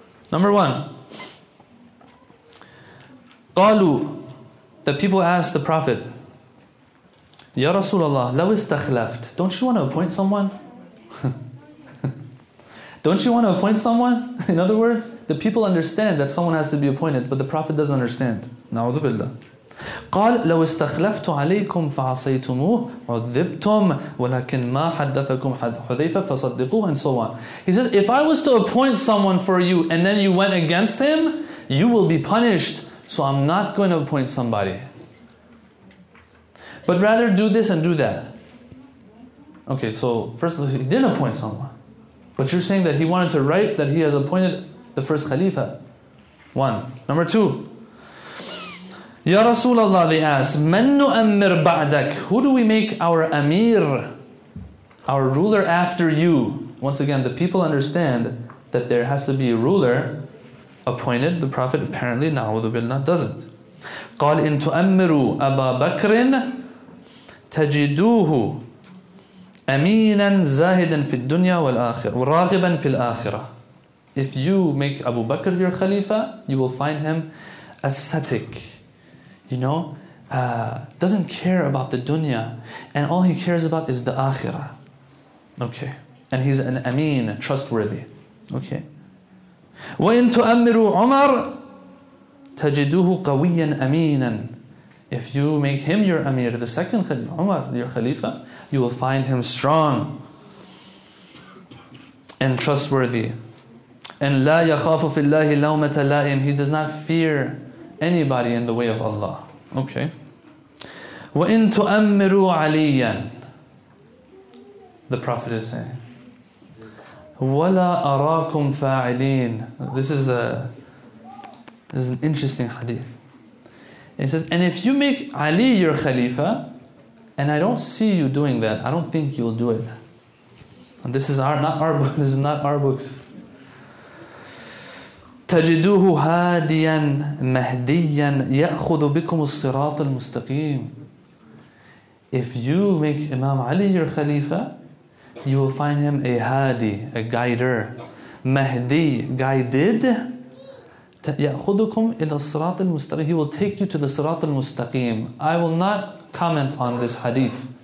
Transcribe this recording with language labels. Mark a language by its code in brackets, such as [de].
[en] Number one, [ar] قالوا, [en] the people asked the Prophet, Ya Rasulullah, [ar] لو استخلفت, [en] don't you want to appoint someone? Don't you want to appoint someone? In other words, the people understand that someone has to be appointed, but the Prophet doesn't understand. [ar] نعوذ بالله. قال لو استخلفت عليكم فعصيتموه عذبتم ولكن ما حدثكم حذيفة فصدقوه, [en] and so on. He says, if I was to appoint someone for you and then you went against him, you will be punished. So I'm not going to appoint somebody. But rather do this and do that. Okay, so first of all, he didn't appoint someone. But you're saying that he wanted to write that he has appointed the first Khalifa. One. Number two. Ya Rasulullah, they asked, [ar] من نؤمر بعدك? [en] Who do we make our Amir, our ruler after you? Once again, the people understand that there has to be a ruler appointed. The Prophet apparently, na'udhu billah, doesn't. [ar] قال إن تؤمروا أبا بكر تجدوه أميناً زاهداً في الدنيا والآخرة وراغباً في الآخرة. [en] If you make Abu Bakr your Khalifa, you will find him ascetic. You know, doesn't care about the dunya, and all he cares about is the Akhirah. Okay, and he's an Amin, trustworthy. Okay. [ar] وَإِن تُؤَمِّرُوا عُمَرْ تَجِدُوهُ قَوِيًّا أَمِينًا. [en] If you make him your Amir, the second Khalifa, Umar, your Khalifa, you will find him strong and trustworthy. And [ar] لا يخاف في الله لومة لائم. [en] He does not fear anybody in the way of Allah. Okay. [ar] وإن تؤمروا عليا, [en] the Prophet is saying, [ar] ولا أراكم فاعلين. [en] This is an interesting hadith. He says, and if you make Ali your Khalifa, and I don't see you doing that, I don't think you'll do it. And this is not our books. [ar] تجدوه هاديا مهديا يأخذ بكم الصراط المستقيم. [en] If you make Imam Ali your Khalifa, you will find him a hadi, a guider. Mahdi, guided. [ar] يَأْخُذُكُمْ إِلَى الصِّرَاطِ الْمُسْتَقِيمِ. [en] He will take you to the Sirat al-Mustaqim. I will not comment on this hadith.